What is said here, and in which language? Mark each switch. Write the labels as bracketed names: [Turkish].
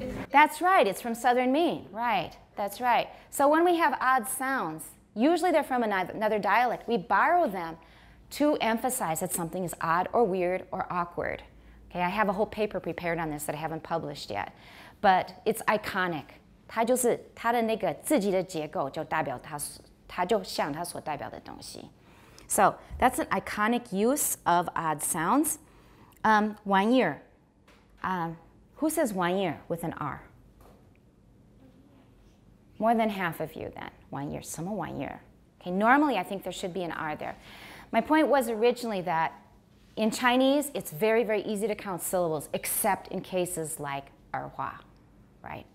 [English] That's right, it's from southern Maine. Right, that's right. So when we have odd sounds, usually they're from another dialect. We borrow them to emphasize that something is odd or weird or awkward. Okay, I have a whole paper prepared on this that I haven't published yet. But it's iconic. [Chinese] 它就是它的那个自己的结构就代表它所代表的东西. [English] So that's an iconic use of odd sounds. 玩意儿.Who says 玩意儿 with an R? More than half of you then. 玩意儿, [Chinese] 什么玩意儿? [English] Okay, normally I think there should be an R there. My point was originally that in Chinese, it's very, very easy to count syllables, except in cases like er hua, right?